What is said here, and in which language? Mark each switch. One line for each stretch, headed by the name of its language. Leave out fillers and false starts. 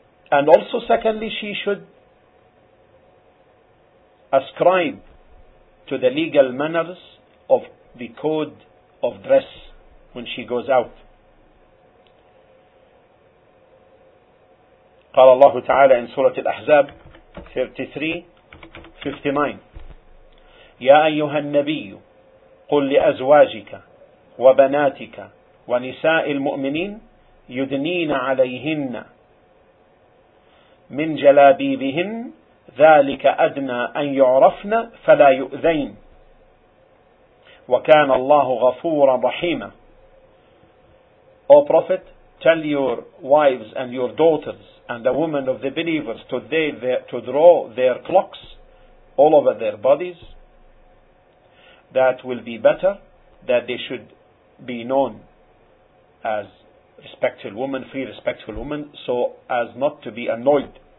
English: And also, secondly, she should ascribe to the legal manners of the code of dress when she goes out.
Arabic: قال الله تعالى
English: in Surah Al-Ahzab 33:59,
Arabic: يا أيها النبي قل لأزواجك وبناتك ونساء المؤمنين يدنين عليهن من جلابيبهن ذلك أدنى أن يعرفن فلا يؤذين وكان الله غفورا رحيما.
English: O Prophet, tell your wives and your daughters and the women of the believers to draw their cloaks all over their bodies. That will be better, that they should be known as respectful women, free respectful women, so as not to be annoyed.